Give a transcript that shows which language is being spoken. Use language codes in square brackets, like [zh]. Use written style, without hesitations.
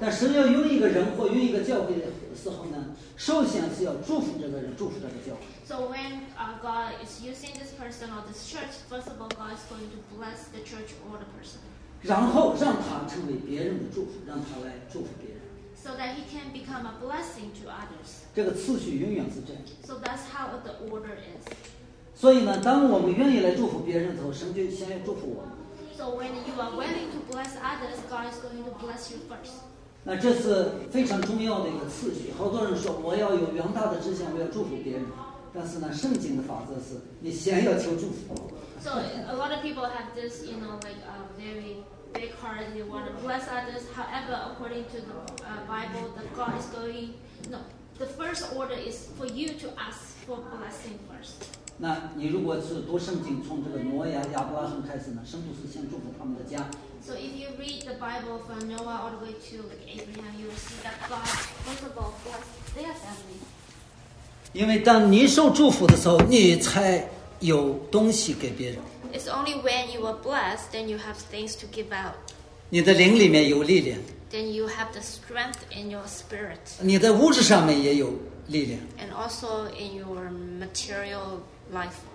[zh] 但神要用一个人或用一个教会的时候呢，首先是要祝福这个人，祝福这个教会。 [en] So when God is using this person or this church, first of all, God is going to bless the church or the person. [zh] 然后让他成为别人的祝福，让他来祝福别人。 [en] So that he can become a blessing to others. [zh] 这个次序永远是这样。 [en] So that's how the order is. [zh] 所以呢，当我们愿意来祝福别人的时候，神就先要祝福我们。 [en] So when you are willing to bless others, God is going to bless you first. [zh] 那这是非常重要的一个次序。好多人说我要有远大的志向，我要祝福别人。但是呢，圣经的法则是你先要求祝福。 [en] So a lot of people have this, you know, like a very big heart. They want to bless others. However, according to the Bible, the God is going. No, the first order is for you to ask for blessing first. [zh] 那你如果是读圣经，从这个挪亚、亚伯拉罕开始呢，神不是先祝福他们的家。 [en] So if you read the Bible from Noah all the way to Abraham, you will see that God first of all blessed their family. [zh] 因为当你受祝福的时候，你才有东西给别人。 [en] It's only when you are blessed, then you have things to give out. [zh] 你的灵里面有力量。 [en] Then you have the strength in your spirit. [zh] 你在物质上面也有力量。 [en] And also in your material life.